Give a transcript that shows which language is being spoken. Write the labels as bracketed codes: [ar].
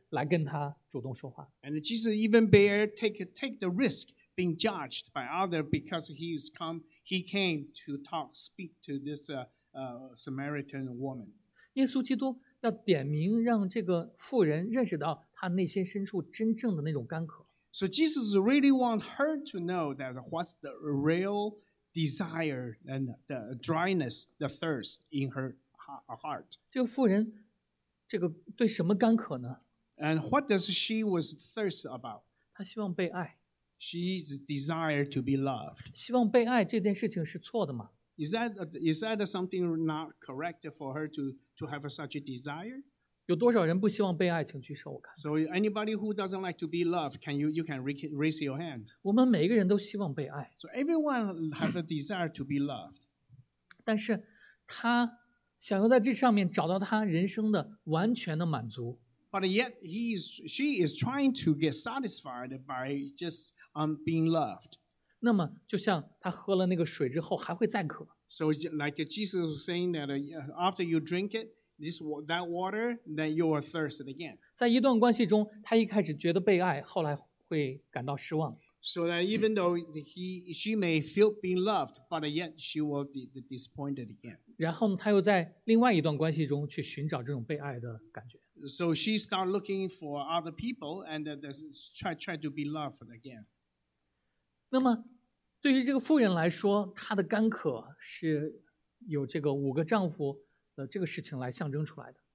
[zh] 来跟他主动说话。 [en] And Jesus even bear take the risk being judged by others because he came to speak to this Samaritan woman. [zh] 耶稣基督要点名让这个妇人认识到他内心深处真正的那种干渴。 [en] So Jesus really want her to know that what's the real desire and the dryness, the thirst in her heart. [zh] 这个妇人这个对什么干渴呢？ [en] And what does she was thirst about? [zh] 她希望被爱。 [en] She's desire to be loved. [zh] 希望被爱这件事情是错的吗？ [en] Is that something not correct for her to have such a desire? [zh] 有多少人不希望被爱？请举手我看。 [en] So anybody who doesn't like to be loved, can you raise your hand? [zh] 我们每个人都希望被爱。 [en] So everyone have a desire to be loved. [zh] 但是她想要在这上面找到他人生的完全的满足。 [en] But yet she is trying to get satisfied by just being loved. [zh] 那么就像他喝了那个水之后还会再渴。 [en] So like Jesus was saying that after you drink it, that water, then you are thirsted again. [zh] 在一段关系中他一开始觉得被爱后来会感到失望。 [en] So that even though she may feel being loved, but yet she will be disappointed again. [zh] 然后他又在另外一段关系中去寻找这种被爱的感觉。 [en] So she started looking for other people and try to be loved again. [zh] 那么对于这个妇人来说她的干渴是有这个五个丈夫的这个事情来象征出来的。